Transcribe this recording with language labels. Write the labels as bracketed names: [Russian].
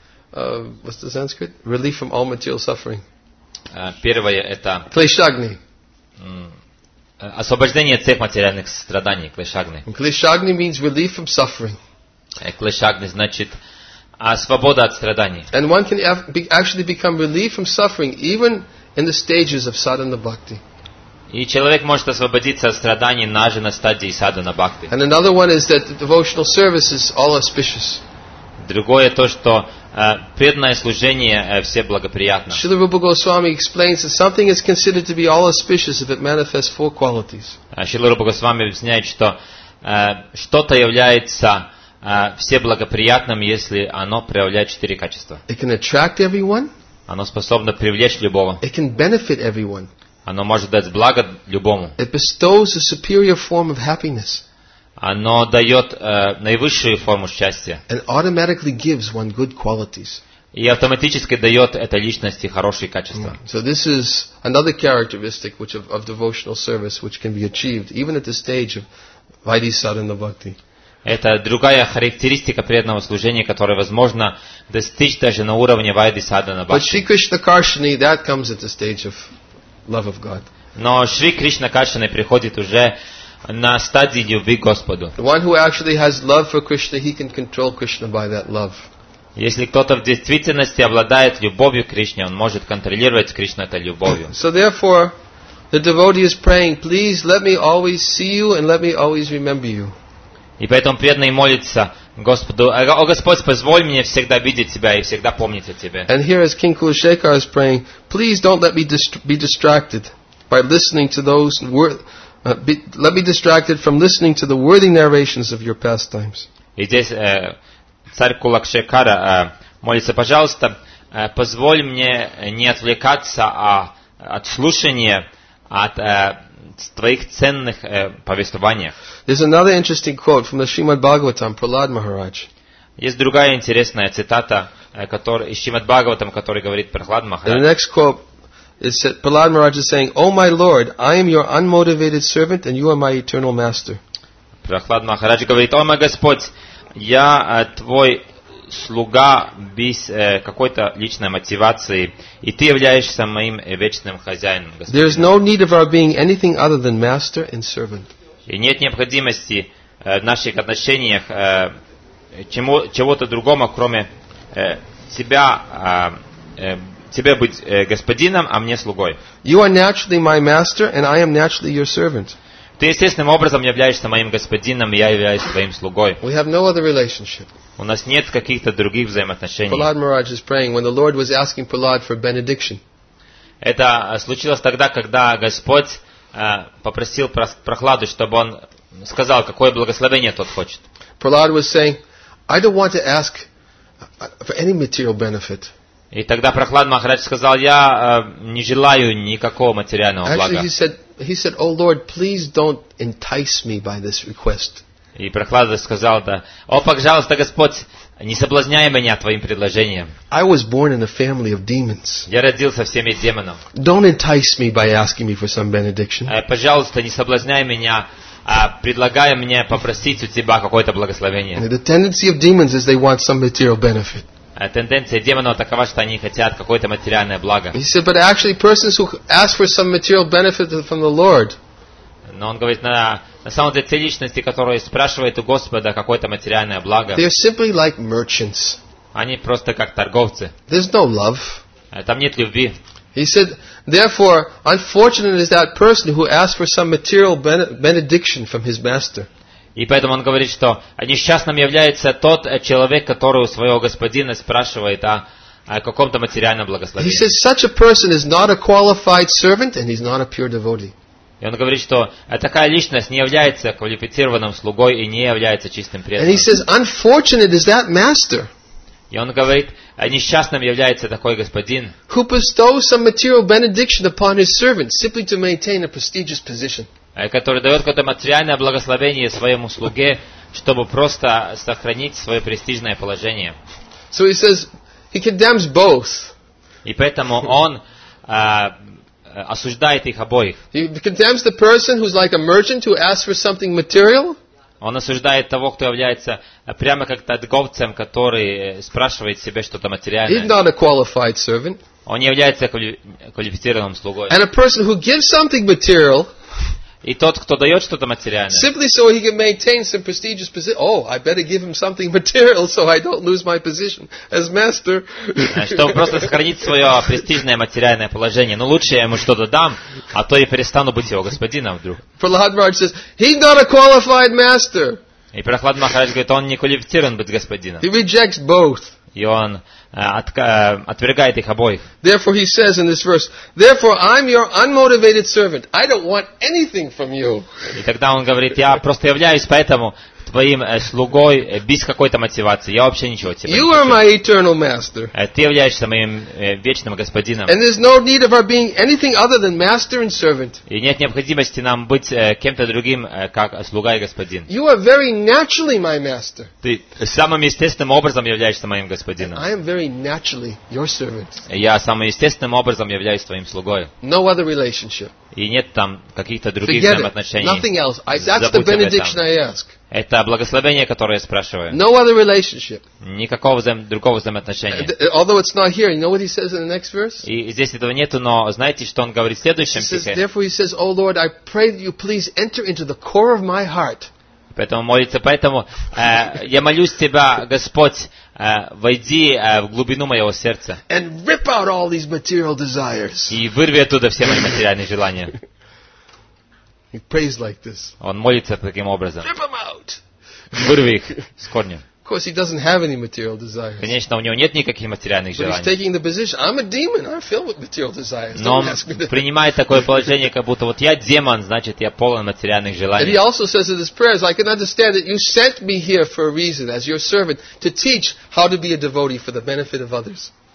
[English] What's the Sanskrit? Relief from all material suffering. [Russian] Первое это. Клешагни. Освобождение от всех материальных страданий. Клешагни. [English] Клешагни means relief from suffering. [Russian] Клешагни значит свобода от страданий. [English] And one can actually become relieved from suffering even in the stages of sadhana bhakti. [Russian] И человек может освободиться от страданий даже на стадии садхана бхакти. [English] And another one is that the devotional service is all auspicious. [Russian] Другое то, что преданное служение все благоприятно. [English] Шрила Рупа Госвами explains that something is considered to be all auspicious if it manifests four qualities. [Russian] Шрила Рупа Госвами объясняет, что что-то является все благоприятным, если оно проявляет четыре качества. [English] It can attract everyone. [Russian] Оно способно привлечь любого. [English] It can benefit everyone. [Russian] Оно может дать благо любому. [English] It bestows a superior form of happiness. [Russian] Оно дает наивысшую форму счастья. [English] And automatically gives one good qualities. [Russian] И автоматически дает этой личности хорошие качества. [English] So this is another characteristic which of devotional service which can be achieved even at the stage of Vaidhi Sadhana Bhakti. [Russian] Это другая характеристика преданного служения, которое возможно достичь даже на уровне Vaidhi Sadhana Bhakti. [English] But Shri Krishna Karshani, that comes at the stage of love of God. [Russian] Но Шри Кришна Каршани приходит уже на стадии любви к Господу. [English] The one who actually has love for Krishna, he can control Krishna by that love. [Russian] Если кто-то в действительности обладает любовью к Кришне, он может контролировать Кришну этой любовью. [English] So therefore, the devotee is praying, please let me always see you and let me always remember you. [Russian] И поэтому преданный молится Господу, о Господь, позволь мне всегда видеть тебя и всегда помнить о тебе. [English] And here as King Kulashekar is praying, please don't let me be distracted by listening to those words. Let me distracted from listening to the worthy narrations of your pastimes. [Russian] И здесь царь Кулакшекара молится, пожалуйста, позволь мне не отвлекаться от слушания от твоих ценных повествований. [English] There's another interesting quote from the Srimad Bhagavatam, Prahlad Maharaj. [Russian] Есть другая интересная цитата, из Шримад Бхагаватам, который говорит Прахлад Махарадж. [English] The next quote. Prahlad Maharaj is saying, "Oh my Lord, I am your unmotivated servant, and you are my eternal master." [Russian] Prahlad Maharaj говорит, "О мой Господь, я твой слуга без какой-то личной мотивации, и ты являешься моим вечным хозяином." [English] There is no need of our being anything other than master and servant. [Russian] И нет необходимости в наших отношениях чего-то другому, кроме себя. Тебе быть господином, а мне слугой. [English] You are naturally my master, and I am naturally your servant. [Russian] Ты естественным образом являешься моим господином, и я являюсь твоим слугой. [English] We have no other relationship. [Russian] У нас нет каких-то других взаимоотношений. [English] Prahlad Maharaj is praying when the Lord was asking Prahlad for benediction. [Russian] Это случилось тогда, когда Господь попросил Прохладу, чтобы он сказал, какое благословение тот хочет. [English] Prahlad was saying, I don't want to ask for any material benefit. [Russian] И тогда Прохлад Махарадж сказал, я не желаю никакого материального блага. [English] Actually, he said, "Oh Lord, please don't entice me by this request." [Russian] И Прохлад сказал, да, о, пожалуйста, Господь, не соблазняй меня твоим предложением. [English] I was born in a family of demons. [Russian] Я родился в семье демонов. [English] Don't entice me by asking me for some benediction. [Russian] Пожалуйста, не соблазняй меня, предлагая мне попросить у тебя какое-то благословение. [English] The tendency of demons is they want some material benefit. [Russian] Тенденция демонов такова, что они хотят какое-то материальное благо. [English] He said, but actually persons who ask for some material benefit from the Lord. [Russian] Но он говорит, на самом деле те личности, которые спрашивают у Господа какое-то материальное благо. [English] They are simply like merchants. [Russian] Они просто как торговцы. [English] There's no love. [Russian] Там нет любви. [English] He said, therefore, unfortunate is that person who asks for some material benediction from his master. [Russian] И поэтому он говорит, что несчастным является тот человек, который у своего господина спрашивает о каком-то материальном благословении. [English] He says such a person is not a qualified servant and he's not a pure devotee. [Russian] И он говорит, что такая личность не является квалифицированным слугой и не является чистым преданным. И он говорит, несчастным является такой господин, [English] who bestows some material benediction upon his servant simply to maintain a prestigious position. [Russian] Который дает какое-то материальное благословение своему слуге, чтобы просто сохранить свое престижное положение. [English] So he says, he condemns both. [Russian] И поэтому он осуждает их обоих. [English] He condemns the person who's like a merchant who asks for something material. [Russian] Он осуждает того, кто является прямо как торговцем, который спрашивает себе что-то материальное. [English] He's not a qualified servant. [Russian] Он не является квалифицированным слугой. [English] And a person who gives something material. [Russian] И тот, кто дает что-то материальное. [English] Simply so he can maintain some prestigious position. Oh, I better give him something material so I don't lose my position as master. [Russian] Чтобы просто сохранить свое престижное материальное положение. Ну лучше я ему что-то дам, а то и перестану быть его господином вдруг. [English] Prahlad Maharaj says, he's not a qualified master. [Russian] И Прохлад Махарадж говорит, он не квалифицирован быть господином. [English] He rejects both. [Russian] И он отвергает их обоих. [English] Therefore, he says in this verse, therefore I'm your unmotivated servant. I don't want anything from you. [Russian] И тогда он говорит, я просто являюсь поэтому твоим слугой без какой-то мотивации. Я вообще ничего тебе. [English] You are my eternal master. [Russian] Ты являешься моим вечным господином. [English] And there's no need of our being anything other than master and servant. [Russian] И нет необходимости нам быть кем-то другим, как слуга и господин. [English] You are very naturally my master. [Russian] Ты самым естественным образом являешься моим господином. [English] I am very naturally your servant. [Russian] Я самым естественным образом являюсь твоим слугой. [English] No other relationship. [Russian] И нет там каких-то других взаимоотношений. [English] Nothing else. That's the benediction I ask. [Russian] Это благословение, которое я спрашиваю. [English] No other relationship. [Russian] Никакого другого взаимоотношения. [English] Although it's not here, you know what he says in the next verse? [Russian] И здесь этого нету, но знаете, что он говорит в следующем стихе? [English] Therefore he says, O Lord, I pray that you please enter into the core of my heart. [Russian] Поэтому молится, поэтому я молюсь тебя, Господь, войди в глубину моего сердца. [English] And rip out all these material desires. [Russian] И вырви оттуда все мои материальные желания. [English] He prays like this. [Russian] Он молится таким образом. [English] Rip him out. [Russian] Вырви их с корнем. [English] Of course, he doesn't have any material desires. [Russian] Конечно, у него нет никаких материальных желаний. [English] But he's taking the position. I'm a demon. I'm filled with material desires. [Russian] Но он принимает такое положение, как будто вот я демон, значит я полон материальных желаний. [English] And he also says in his prayers, I can understand that you sent me here for a reason, as your servant, to teach how to be a devotee for the benefit of others.